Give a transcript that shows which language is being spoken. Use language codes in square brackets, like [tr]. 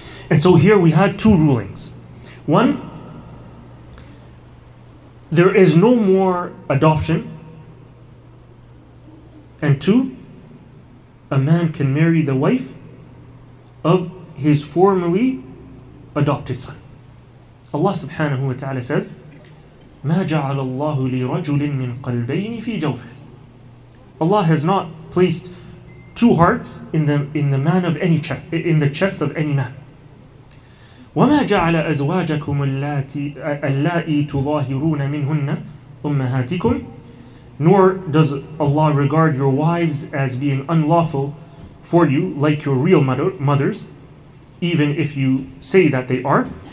[en] And so here we had two rulings. One, there is no more adoption. And two, a man can marry the wife of his formerly adopted son. Allah subhanahu wa ta'ala says, [ar] مَا جَعَلَ اللَّهُ لِرَجُلٍ مِّن قَلْبَيْنِ فِي جَوْفِهِ. [en] Allah has not placed two hearts in the chest of any man. [ar] وَمَا جَعَلَ أَزْوَاجَكُمُ اللَّائِي تُظَاهِرُونَ مِنْهُنَّ أُمَّهَاتِكُمْ. [en] Nor does Allah regard your wives as being unlawful for you, like your real mothers, even if you say that they are.